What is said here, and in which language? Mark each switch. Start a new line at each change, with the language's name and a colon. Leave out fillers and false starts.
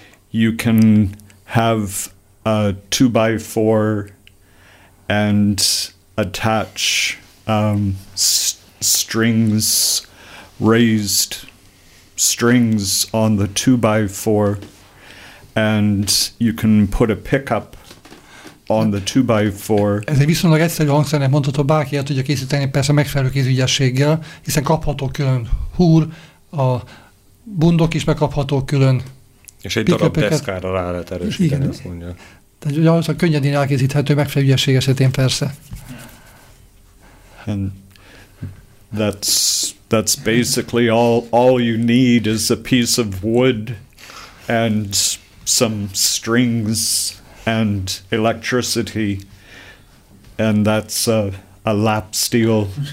English: You can have a 2x4 and attach strings, raised strings on the 2x4, and you can put a pickup on the 2x4.
Hungarian: Ez egy viszonylag egyszerű hangszernek mondható, bárki el tudja készíteni, persze megfelelő kézügyességgel, hiszen kapható külön húr, a bundok is megkapható külön. És egy darab deszkára rá lehet erősíteni, azt mondja. Tehát gyakorlatilag könnyedén elkészíthető, megfelelő ügyesség esetén persze.
English: And that's basically all you need is a piece of wood and some strings and electricity, and that's a lap steel.